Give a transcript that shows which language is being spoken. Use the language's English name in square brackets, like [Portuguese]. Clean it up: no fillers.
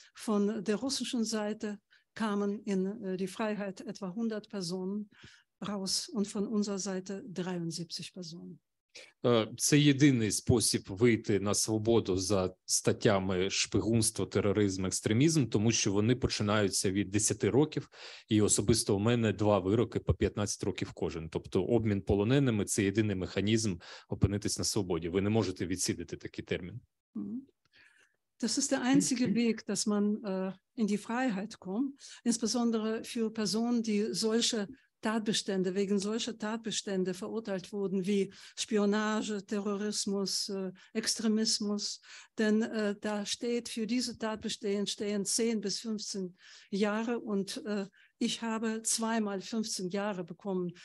[German] Von der russischen Seite kamen in die Freiheit etwa 100 Personen raus und von unserer Seite 73 Personen. [Ukrainian] Це єдиний спосіб вийти на свободу за статтями шпигунство, тероризм, екстремізм, тому що вони починаються від 10 років, і особисто у мене 2 вироки по 15 років кожен. Тобто обмін полоненими – це єдиний механізм опинитись на свободі. Ви не можете відсидити такий термін. [German] Das ist der einzige Weg, dass man in die Freiheit kommt, insbesondere für Personen, die solche Tatbestände, wegen solcher Tatbestände verurteilt wurden, wie Spionage, Terrorismus, Extremismus. Denn da steht für diese Tatbestände stehen 10 bis 15 Jahre und ich habe 2x15 Jahre bekommen.